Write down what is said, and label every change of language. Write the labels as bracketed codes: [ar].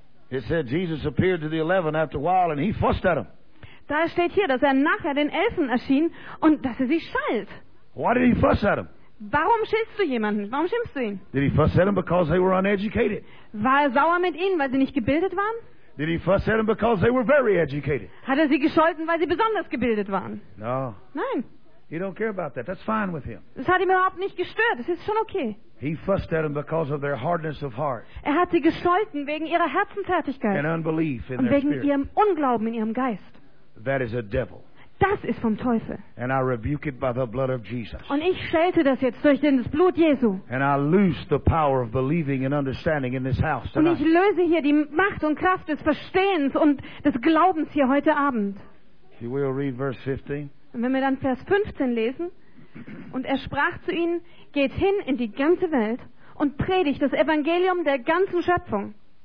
[en] It said Jesus appeared to the 11 after a while and he fussed at them. [de] Da steht hier, dass nachher den Elfen erschien und dass sie schalt. [en] Why did he fuss at them? [de] Warum schimpfst du jemanden? Warum schimpfst du ihn? [en] Did he fuss at them because they were uneducated? [de] War er sauer mit ihnen, weil sie nicht gebildet waren? [en] Did he fuss at them because they were very educated? [de] Hat er sie gescholten, weil sie besonders gebildet waren? [en] No. [de] Nein. [en] He don't care about that. That's fine with him. [de] Das hat ihn überhaupt nicht gestört. Das ist schon okay. [en] He fussed at them because of their hardness of heart. [de] Er hat sie gescholten wegen ihrer Herzenfertigkeit. [en] And unbelief in [de] und [en] their [de] wegen [en] spirit. [de] Ihrem Unglauben in ihrem Geist. [en] That is a devil. [de] Das ist vom Teufel. [en] And I rebuke it by the blood of Jesus. [de] Und ich schelte das jetzt durch das Blut Jesu. [en] And I lose the power of believing and understanding in this house tonight. [de] Und ich löse hier die Macht und Kraft des Verstehens und des Glaubens hier heute Abend. [en] You will read verse 15. [de] Und wenn wir dann Vers 15 lesen, und er sprach zu ihnen, geht hin in die ganze Welt und predigt das Evangelium der ganzen Schöpfung.